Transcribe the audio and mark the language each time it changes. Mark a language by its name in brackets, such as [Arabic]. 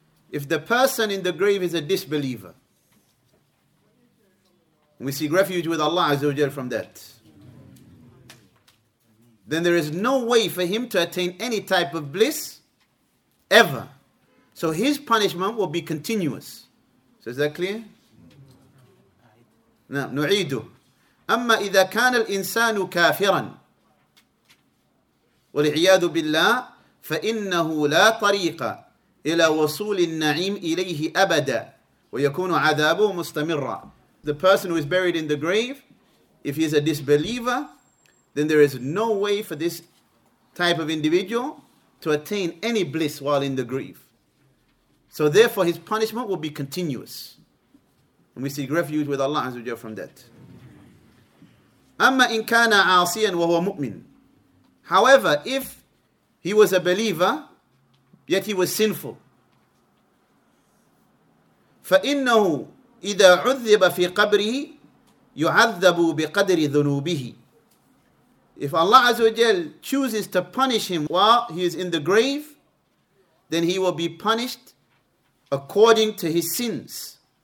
[English] If the person in the grave is a disbeliever, we seek refuge with Allah Azza wa Jalla from that, then there is no way for him to attain any type of bliss ever. So his punishment will be continuous. So is that clear? Now, [Arabic] نعيده. أما إذا كان الإنسان كافرا والعياذ بالله فإنه لا طريق إلى وصول النعيم إليه أبدا ويكون عذابه مستمرا. [English] The person who is buried in the grave, if he is a disbeliever, then there is no way for this type of individual to attain any bliss while in the grave. So therefore his punishment will be continuous. And we seek refuge with Allah Azza wa Jalla from that. [Arabic] أما إن كان عاصيا وهو مؤمن. [English] However, if he was a believer, yet he was sinful. [Arabic] فَإِنَّهُ إِذَا عُذِّبَ فِي قَبْرِهِ يُعَذَّبُ بِقَدْرِ ذُنُوبِهِ. [English] If Allah Azza wa Jal chooses to punish him while he is in the grave, then he will be punished according to his sins.